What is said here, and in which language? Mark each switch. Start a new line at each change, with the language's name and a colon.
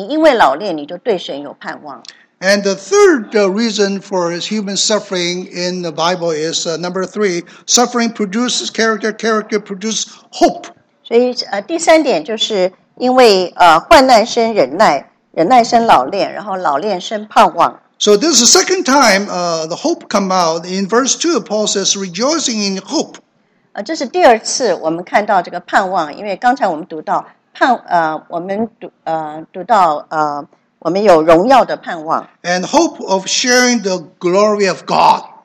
Chinese: 所以呢，患难它让你生老练，老练就可以，你因为老练，你就对神有盼望。
English: And the third reason for human suffering in the Bible is number three, suffering produces character, character produces hope.
Chinese: 所以第三点就是因为患难生忍耐，忍耐生老练，然后老练生盼望。
English: So this is the second time the hope come out. In verse 2, Paul says, rejoicing in hope.
Chinese: 这是第二次我们看到这个盼望，因为刚才我们读到盼，我们读到我们有荣耀的盼望。
English: And hope of sharing the glory of God.